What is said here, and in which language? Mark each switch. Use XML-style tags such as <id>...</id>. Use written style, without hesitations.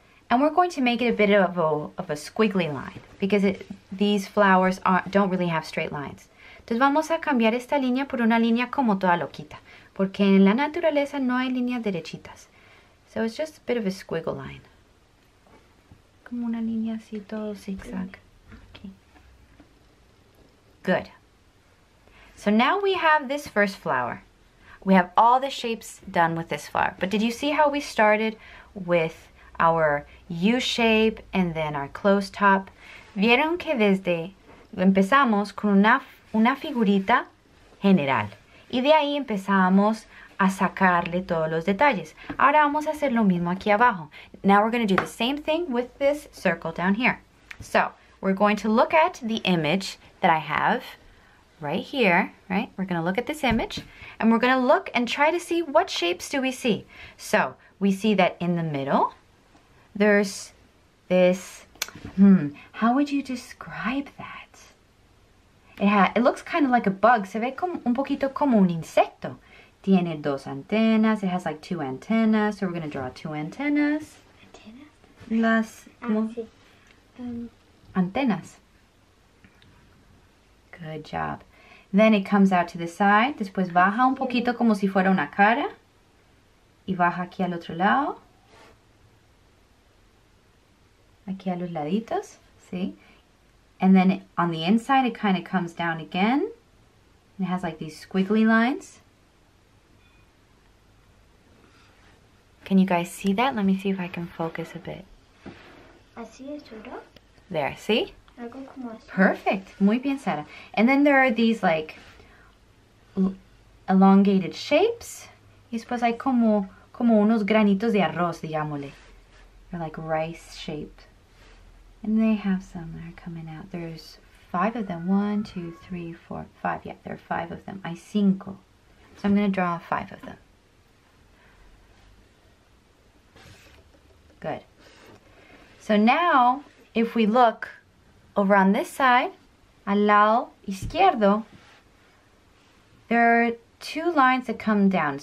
<en>And we're going to make it a bit of a squiggly line. Because these flowers don't really have straight lines.</en> <es>Entonces vamos a cambiar esta línea por una línea como toda loquita. Porque en la naturaleza no hay líneas derechitas.</es> <en>So it's just a bit of a squiggle line.</en> <es>Como una línea así, todo zigzag.</es> <en>Okay. Good. So now we have this first flower. We have all the shapes done with this flower. But did you see how we started with our U shape and then our closed top?</en> <es>Vieron que desde empezamos con una figurita general. Y de ahí empezamos a sacarle todos los detalles. Ahora vamos a hacer lo mismo aquí abajo.</es> <en>Now we're going to do the same thing with this circle down here. So we're going to look at the image that I have right here, right? We're going to look at this image and we're going to look and try to see what shapes do we see. So we see that in the middle, there's this, how would you describe that? It looks kind of like a bug.</en> <es>Se ve como un poquito como un insecto. Tiene dos antenas.</es> <en>It has like two antennas. So we're going to draw two antennas.</en> <es>Las antennas.</es> <en>Good job. Then it comes out to the side.</en> <es>Después baja un poquito como si fuera una cara. Y baja aquí al otro lado. Aquí a los laditos, see?</es> <en>And then on the inside, it kind of comes down again. And it has like these squiggly lines. Can you guys see that? Let me see if I can focus a bit.</en> <es>Así es todo.</es> <en>There, see?</en> <es>Algo como así. Perfect. Muy bien, Sara.</es> <en>And then there are these like elongated shapes.</en> <es>Y después hay como unos granitos de arroz, digámosle.</es> <en>They're like rice shaped. And they have some that are coming out. There's five of them. One, two, three, four, five. Yeah, there are five of them.</en> <es>Hay cinco.</es> <en>So I'm going to draw five of them. Good. So now, if we look over on this side,</en> <es>al lado izquierdo,</es> <en>there are two lines that come down.</en>